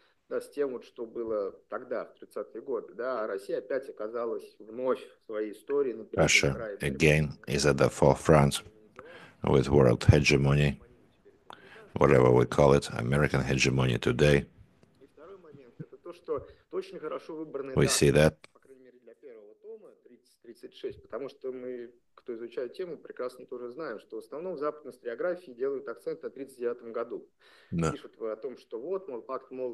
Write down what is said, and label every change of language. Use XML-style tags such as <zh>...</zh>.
<ru>С тем, вот, что было тогда, в 30-е годы, да, Россия опять оказалась вновь в своей истории.</ru> <en>Russia again is at the forefront with world hegemony, whatever we call it, American hegemony today.</en> <ru>И второй момент, это то, что точно хорошо выбраны даты.</ru> <en>We see that.</en> <ru>По крайней мере, для первого тома, 30-36, потому что мы, кто изучает тему, прекрасно тоже знаем, что в основном в западной историографии делают акцент на 39-м году.</ru> <en>No.</en> <ru>Пишут о том, что вот, мол, пакт мол...</ru>